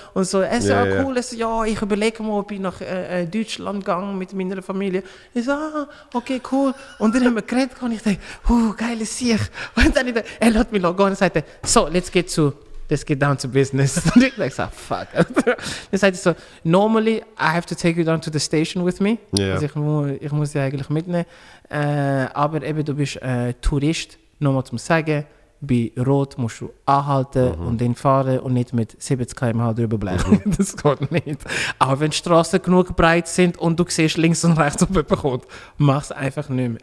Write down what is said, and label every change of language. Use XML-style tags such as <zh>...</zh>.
<de>Und so, es ist ja cool, so, ja, ich überlege mal, ob ich nach Deutschland gegangen mit meiner Familie. Ich so, okay, cool. Und dann haben wir geredet und ich dachte, geile Sieg. Und dann er lässt mich gehen und sagte, so,</de> <en>let's get down to business.</en> <de>Und ich</de> <en>like, so, fuck.</en> <de>Dann sagt er so,</de> <en>normally I have to take you down to the station with me. Yeah.</en> <de>Also ich muss dich eigentlich mitnehmen. Aber eben, du bist Tourist, nochmal zum Sagen, bei Rot musst du anhalten und dann fahren und nicht mit 70 km/h drüber bleiben. Das geht nicht. Aber wenn Straßen genug breit sind und du siehst links und rechts, ob jemand kommt, mach es einfach nicht mehr.</de>